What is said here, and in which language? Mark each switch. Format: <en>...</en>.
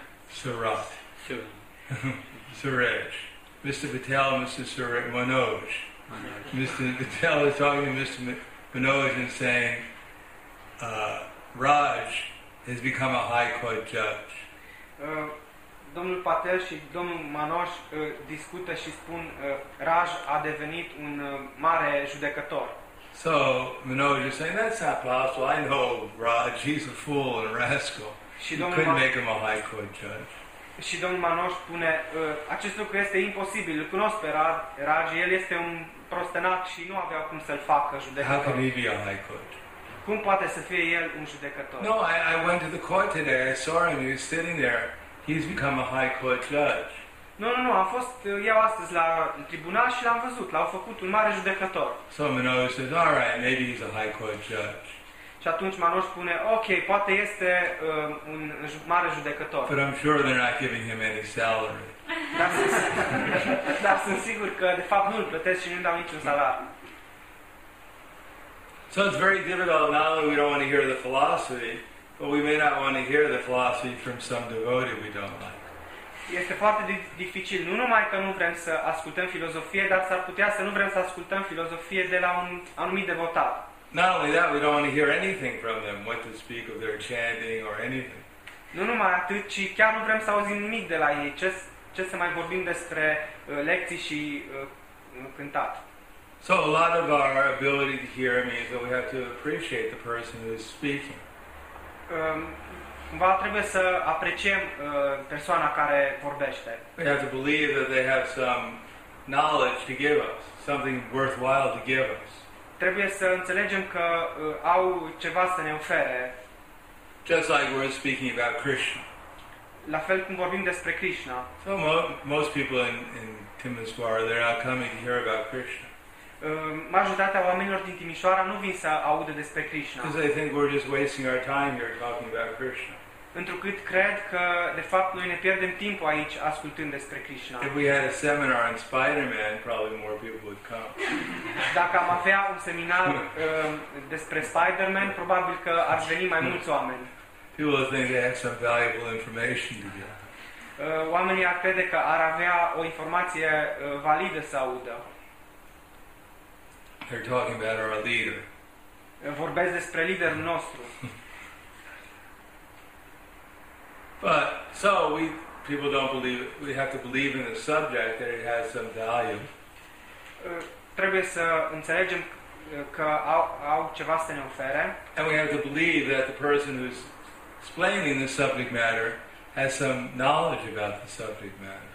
<en>Surat. Suraj. Mr. Patel and Mr. Suraj. Manoj. Mr. Patel is talking to Mr. Manoj and saying, Raj has become a high court judge.</en> <ro>Domnul Patel și domnul Manoj discută și spun, Raj a devenit un mare judecător.</ro> <en>So Manoj is saying, that's not possible. I know Raj, he's a fool and a rascal.</en> <ro>Și</ro> <en>you couldn't make him a high court judge.</en> <ro>Și domnul Manoj spune, acest lucru este imposibil. Îl cunosc pe Raj, el este un prostenac și nu avea cum să-l facă judecător.</ro> <en>How can he be a high court?</en> <ro>Cum poate să fie el un judecător?</ro> <en>No, I went to the court today. I saw him. He was sitting there. He's become a high court judge. No, no, no.</en> <ro>Am fost eu astăzi la tribunal și l-am văzut. L-au făcut un mare judecător.</ro> <en>So Manoj says, all right, maybe he's a high court judge.</en> <ro>Și atunci Manoj spune, ok, poate este un mare judecător.</ro> <en>But I'm sure they're not giving him any salary.</en> <ro>Dar sunt sigur că de fapt nu îl plătesc și nu îmi dau niciun salariu.</ro> <en>So it's very difficult. Now that we don't want to hear the philosophy. But we may not want to hear the philosophy from some devotee we don't like.</en> <ro>Este foarte dificil. Nu numai că nu vrem să ascultăm filozofie, dar s-ar putea să nu vrem să ascultăm filozofie de la un anumit devotat.</ro> <en>Not only that, we don't want to hear anything from them, what to speak of their chanting or anything.</en> <ro>Nu numai atât, ci chiar nu vrem să auzim nimic de la ei. Ce să mai vorbim despre lecții și cântat.</ro> <en>So a lot of our ability to hear means that we have to appreciate the person who is speaking.</en> <ro>Va trebuie să apreciem persoana care vorbește.</ro> <en>We have to believe that they have some knowledge to give us, something worthwhile to give us.</en> <ro>Trebuie să înțelegem că au ceva să ne ofere.</ro> <en>Just like we're speaking about Krishna.</en> <ro>La fel cum vorbim despre Krishna.</ro> <en>So most people in Timișoara, they're not coming to hear about Krishna.</en> <ro>Majoritatea oamenilor din Timișoara nu vin să audă despre Krishna.</ro> <en>Because I think we're just wasting our time here talking about Krishna.</en> <ro>Întrucât cred că de fapt noi ne pierdem timpul aici ascultând despre Krishna.</ro> <en>If we had a seminar on Spider-Man, probably more people would come.</en> <ro>Dacă am avea un seminar despre Spider-Man, probabil că ar veni mai mulți oameni.</ro> <en>People would think they had some valuable information to get.</en> <ro>Oamenii ar crede că ar avea o informație validă să audă.</ro> <en>They're talking about our leader.</en> <ro>Vorbesc despre liderul nostru.</ro> <en>But so people don't believe it. We have to believe in the subject that it has some value.</en> <ro>Trebuie să înțelegem că au ceva să ne ofere.</ro> <en>And we have to believe that the person who's explaining the subject matter has some knowledge about the subject matter.</en>